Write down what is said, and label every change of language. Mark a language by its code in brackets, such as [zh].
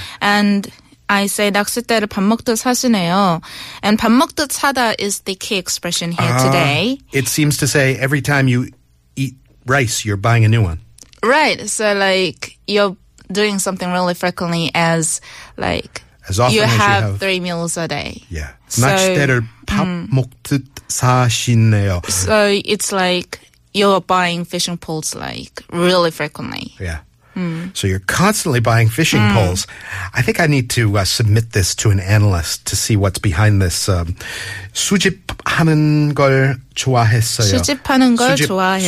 [en] And I say [ko] 낚싯대를 밥 먹듯 사시네요. [en] And 밥 먹듯 사다 is the key expression here today. It seems to say every time you eat rice, you're buying a new one. Right. So like you're doing something really frequently as like as often you, as have you have 3 meals a day. Yeah. [ko] 낚싯대를 밥 먹듯 사시네요. [en] So it's like you're buying fishing poles, like, really frequently. Yeah. So you're constantly buying fishing poles. I think I need to submit this to an analyst to see what's behind this. [ko] 수집하는 걸 좋아했어요. 수집하는 걸 좋아했어요.